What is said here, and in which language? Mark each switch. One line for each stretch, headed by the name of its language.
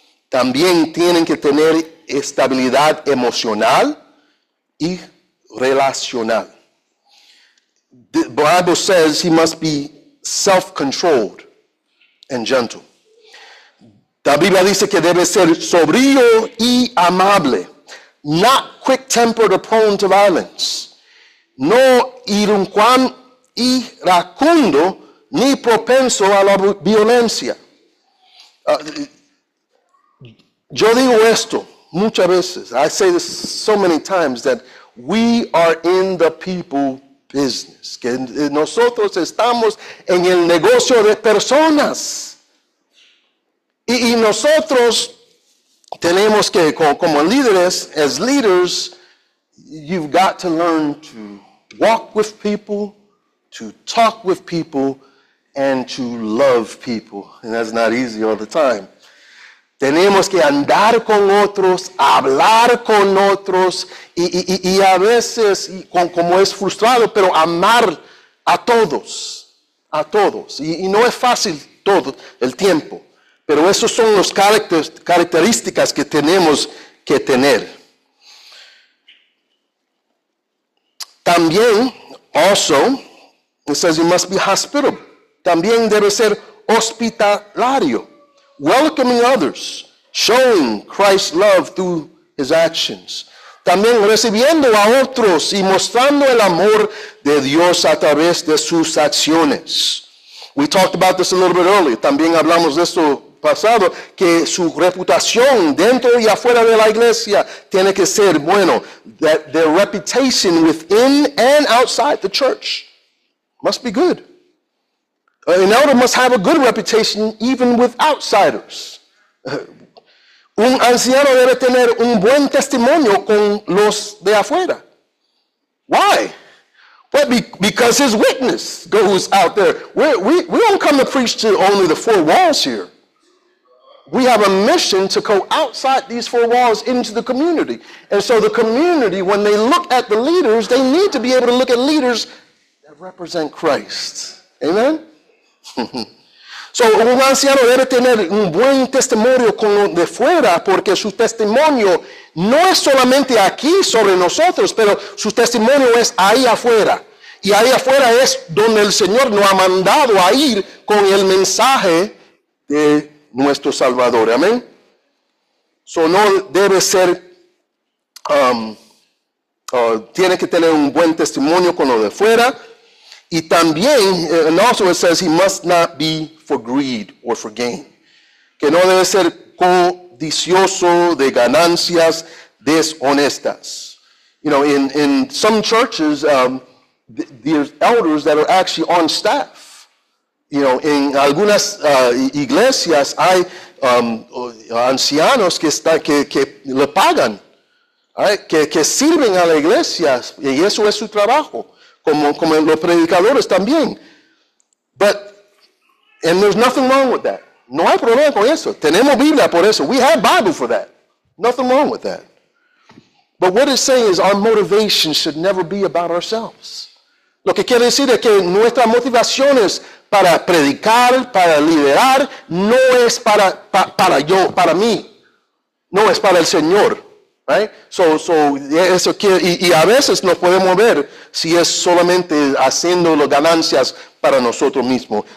Spanish: También tienen que tener estabilidad emocional y relacional.
English: The Bible says he must be self-controlled and gentle.
Spanish: La Biblia dice que debe ser sobrio y amable,
English: not quick-tempered or prone to violence.
Spanish: No iracundo y racundo ni propenso a la violencia. Yo digo esto muchas veces.
English: I say this so many times that we are in the people business.
Spanish: Que nosotros estamos en el negocio de personas. Y nosotros tenemos que, como líderes,
English: as leaders, you've got to learn to walk with people, to talk with people, and to love people. And that's not easy all the time.
Spanish: Tenemos que andar con otros, hablar con otros, y a veces, como es frustrado, pero amar a todos, a todos. Y no es fácil todo el tiempo, pero esos son los características que tenemos que tener.
English: También, also, it says you must be hospitable.
Spanish: También debe ser hospitalario.
English: Welcoming others, showing Christ's love through his actions.
Spanish: También recibiendo a otros y mostrando el amor de Dios a través de sus acciones.
English: We talked about this a little bit earlier.
Spanish: También hablamos de esto pasado, que su reputación dentro y afuera de la iglesia tiene que ser bueno.
English: That their reputation within and outside the church must be good. An elder must have a good reputation even with outsiders. Un anciano debe tener un buen testimonio con los de afuera. Why? Well, because his witness goes out there. We don't come to preach to only the four walls here. We have a mission to go outside these four walls into the community. And so the community, when they look at the leaders, they need to be able to look at leaders represent Christ. Amen.
Spanish: So, un anciano debe tener un buen testimonio con lo de fuera, porque su testimonio no es solamente aquí sobre nosotros, pero su testimonio es ahí afuera. Y ahí afuera es donde el Señor nos ha mandado a ir con el mensaje de nuestro Salvador. Amén. So, no debe ser, tiene que tener un buen testimonio con lo de fuera. Y también,
English: and also it says he must not be for greed or for gain.
Spanish: Que no debe ser codicioso de ganancias deshonestas.
English: You know, in some churches, there's elders that are actually on staff.
Spanish: You know, en algunas iglesias hay ancianos que le pagan, right? que sirven a la iglesia, y eso es su trabajo, como los predicadores también.
English: But and there's nothing wrong with that.
Spanish: No hay problema con eso. Tenemos Biblia por eso.
English: We have Bible for that. Nothing wrong with that. But what it's saying is our motivation should never be about ourselves.
Spanish: Lo que quiere decir es que nuestras motivaciones para predicar, para liderar, no es para yo, para mí. No es para el Señor. Right? So eso quiere, y a veces nos podemos ver si es solamente haciendo las ganancias para nosotros mismos.